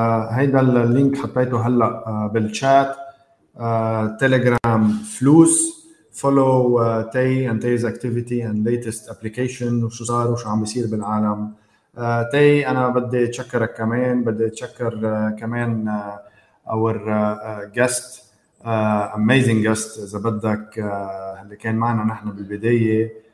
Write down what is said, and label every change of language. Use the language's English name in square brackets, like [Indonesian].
[Arabic] هيدا اللينك حطيته هلا بالشات. Telegram فلوس. [English] Follow Tey and Tey's activity and latest application. [Arabic] وشو صار وشو عم بيصير بالعالم. Tey أنا بدي أشكرك كمان، بدي أشكر كمان [English] our guest amazing guest [Arabic] إذا بدك اللي كان معنا نحن بالبداية.